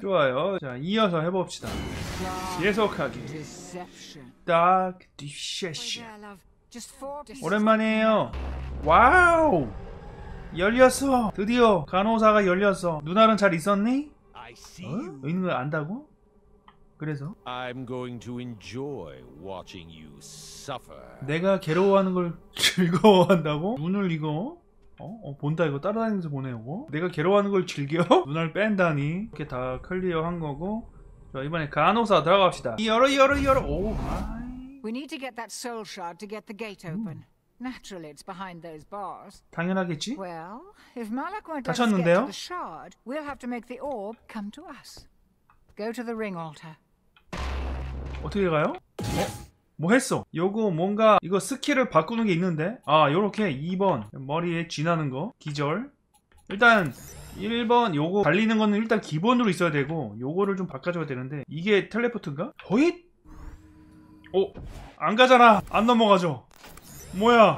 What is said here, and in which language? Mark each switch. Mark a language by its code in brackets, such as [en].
[ko] 좋아요. 자 이어서 해봅시다. 계속하기. Dark Deception. 오랜만이에요. 와우! 열렸어! 드디어 간호사가 열렸어. 누나는 잘 있었니? 어? 의미가 안다고? 그래서? [en] I'm going to enjoy watching you suffer. [ko] 내가 괴로워하는 걸 즐거워한다고? 눈을 이거? 본다 이거? 따라다니면서 보네 이거? 내가 괴로워하는 걸 즐겨? 누나를 뺀다니? 이렇게 다 클리어 한 거고. 자 이번에 간호사 들어갑시다. 열어 열어 열어. 오 마이. [en] We need to get that soul shard to get the gate open. Naturally, it's behind those bars. [ko] 당연하겠지? [en] Well, if Malak won't let us get to the shard, we'll have to make the orb come to us. Go to the ring altar. [ko] 어떻게 가요? 어? 뭐 했어? 요거 뭔가 이거 스킬을 바꾸는 게 있는데? 아, 요렇게 2번 머리에 쥐나는 거 기절. 일단 1번 요거 달리는 거는 일단 기본으로 있어야 되고, 요거를 좀 바꿔줘야 되는데, 이게 텔레포트인가? 허잇? 오! 안 가잖아! 안 넘어가죠! 뭐야!